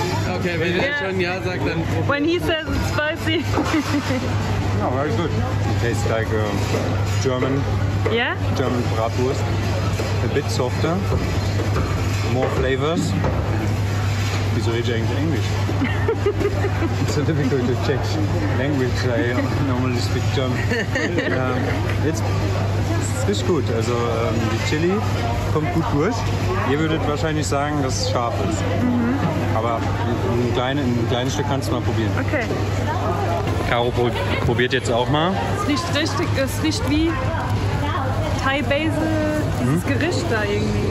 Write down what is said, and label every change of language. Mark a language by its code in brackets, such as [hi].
[de] Okay, wenn er schon ja sagt, dann. [en] When he says it's spicy. No, oh, very good. It tastes like German. Yeah? German Bratwurst. A bit softer. More flavors. [de] Wieso rede ich eigentlich Englisch? [en] It's so difficult to check language. I normally speak German. [de] Es ist gut. Also die Chili kommt gut durch. Ihr würdet wahrscheinlich sagen, dass es scharf ist. Mhm. Aber ein kleines Stück kannst du mal probieren. Okay. Caro probiert jetzt auch mal. Es riecht richtig. Es riecht wie Thai Basil, dieses Gericht da irgendwie.